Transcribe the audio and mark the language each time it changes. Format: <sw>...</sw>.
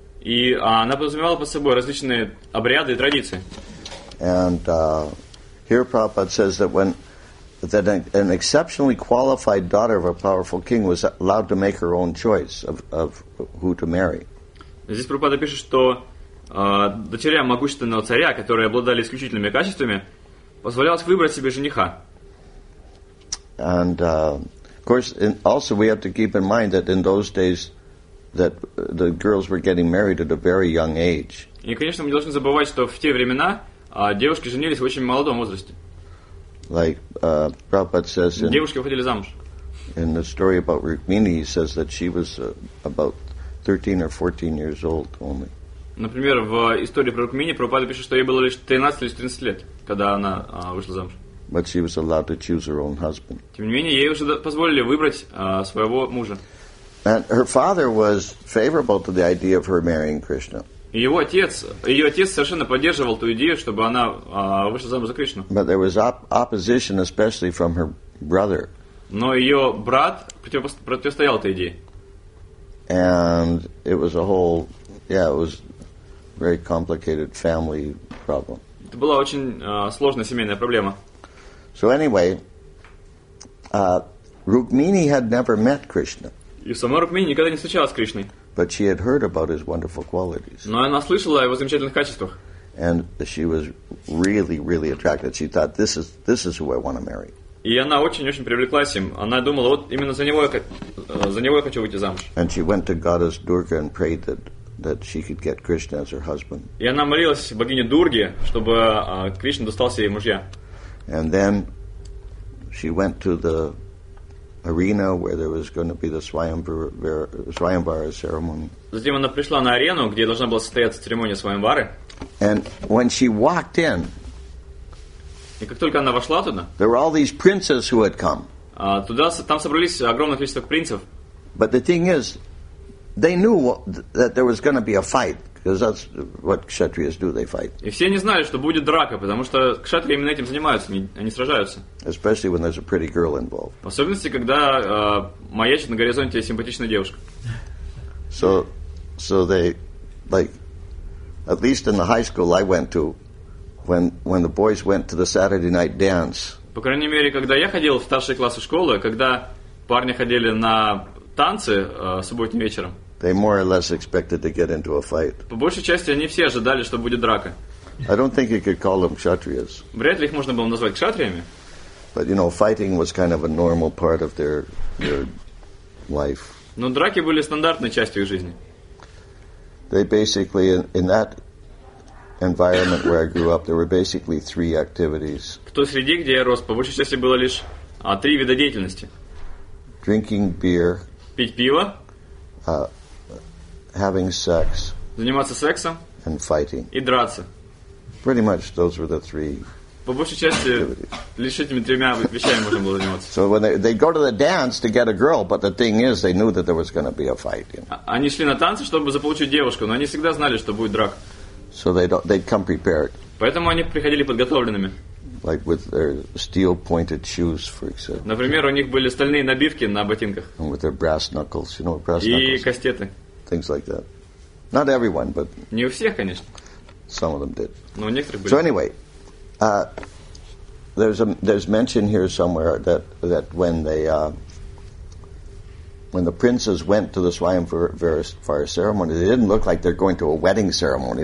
<ru>И она подразумевала под собой различные обряды и традиции.</ru> <en>And here Prabhupada says that when that an exceptionally qualified daughter of a powerful king was allowed to make her own choice of who to marry.</en> <ru>Здесь Прабхупада пишет, что дочерям могущественного царя, которые обладали исключительными качествами, позволялось выбрать себе жениха.</ru> <en>And of course, also we have to keep in mind that in those days that the girls were getting married at a very young age.</en> <ru>И, конечно, мы должны забывать, что в те времена девушки женились в очень молодом возрасте.</ru> <en>Like Prabhupada says in,</en> <ru>девушки выходили замуж.</ru> <en>In the story about Rukmini, he says that she was about 13 or 14 years old only.</en> <ru>Например, в истории про Рукмини Прабхупада пишет, что ей было лишь 13 или 14 лет, когда она вышла замуж.</ru> <en>But she was allowed to choose her own husband.</en> <ru>Тем не менее, ей уже позволили выбрать своего мужа.</ru> <en>And her father was favorable to the idea of her marrying Krishna.</en> <ru>Ее отец совершенно поддерживал ту идею, чтобы она вышла замуж за Кришну.</ru> <en>But there was opposition, especially from her brother.</en> <ru>Но ее брат противостоял этой идее.</ru> <en>And it was a whole, yeah, it was very complicated family problem.</en> <ru>Это была очень сложная семейная проблема.</ru> <en>So anyway, Rukmini had never met Krishna.</en> <ru>И сама Рукмини никогда не встречалась с Кришной.</ru> <en>But she had heard about his wonderful qualities.</en> <ru>Но она слышала о его замечательных качествах.</ru> <en>And she was really, really attracted. She thought, this is who I want to marry.</en> <ru>И она очень-очень привлеклась им. Она думала, вот именно за него я хочу выйти замуж.</ru> <en>And she went to goddess Durga and prayed that she could get Krishna as her husband.</en> <ru>И она молилась богине Дурге, чтобы Кришна достался ей мужья.</ru> <en>And then she went to the arena where there was going to be the Svayamvara ceremony.</en> <ru>Затем она пришла на арену, где должна была состояться церемония Свайамвары.</ru> <en>And when she walked in,</en> <ru>и как только она вошла туда,</ru> <en>there were all these princes who had come.</en> <ru>Там собрались огромное количество принцев.</ru> <en>But the thing is, they knew that there was going to be a fight. Because that's what kshatriyas do, they fight.</en> <ru>И все не знали, что будет драка, потому что кшатрии именно этим занимаются, они сражаются.</ru> <en>Especially when there's a pretty girl involved.</en> <ru>В особенности, когда маячит на горизонте симпатичная девушка.</ru> <en>So they, like, at least in the high school I went to, when the boys went to the Saturday night dance.</en> <ru>По крайней мере, когда я ходил в старшие классы школы, когда парни ходили на танцы субботним вечером.</ru> <en>They more or less expected to get into a fight.</en> <ru>По большей части они все ожидали, что будет драка.</ru> <en>I don't think you could call them kshatriyas.</en> <ru>Вряд ли их можно было назвать кшатриями.</ru> <en>But you know, fighting was kind of a normal part of their life.</en> <ru>Но драки были стандартной частью их жизни.</ru> <en>They basically in that environment where I grew up, there were basically three activities.</en> <ru>В той среде, где я рос, по большей части было лишь три вида деятельности.</ru> <en>Drinking beer.</en> <ru>Пить пиво.</ru> <en>Having sex,</en> <ru>заниматься сексом,</ru> <en>and fighting,</en> <ru>и драться.</ru> <en>Pretty much those were the three.</en> <ru>По большей части лишь этими тремя вещами можно было заниматься.</ru> <en>So when they go to the dance to get a girl, but the thing is, they knew that there was going to be a fight. You know?</en> <ru>Они шли на танцы, чтобы заполучить девушку, но они всегда знали, что будет драка.</ru> <en>So they'd come prepared.</en> <ru>Поэтому они приходили подготовленными.</ru> <en>Like with their steel-pointed shoes, for example.</en> <ru>Например, у них были стальные набивки на ботинках.</ru> <en>And with their brass knuckles, you know, brass</en> <ru>и И кастеты.</ru> <en>Things like that. Not everyone, but</en> <ru>не у всех, конечно.</ru> <en>Some of them did.</en> <ru>Но у некоторых были.</ru> <en>So anyway, there's mention here somewhere that when they when the princes went to the Svayamvara ceremony, they didn't look like they're going to a wedding ceremony.</en>